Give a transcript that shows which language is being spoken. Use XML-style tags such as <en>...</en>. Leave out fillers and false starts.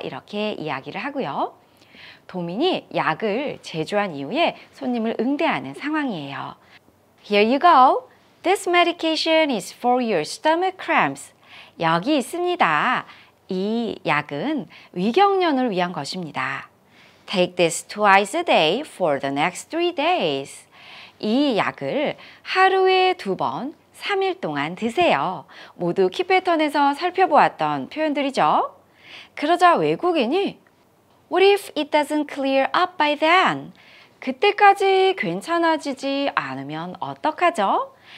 <ko>이렇게 이야기를 하고요. 도민이 약을 제조한 이후에 손님을 응대하는 상황이에요.</ko> <en>Here you go. This medication is for your stomach cramps.</en> <ko>여기 있습니다. 이 약은 위경련을 위한 것입니다.</ko> <en>Take this twice a day for the next 3 days.</en> <ko>이 약을 하루에 두 번 3일 동안 드세요. 모두 키패턴에서 살펴보았던 표현들이죠. 그러자 외국인이</ko> <en>What if it doesn't clear up by then?</en> <ko>그때까지 괜찮아지지 않으면 어떡하죠?</ko>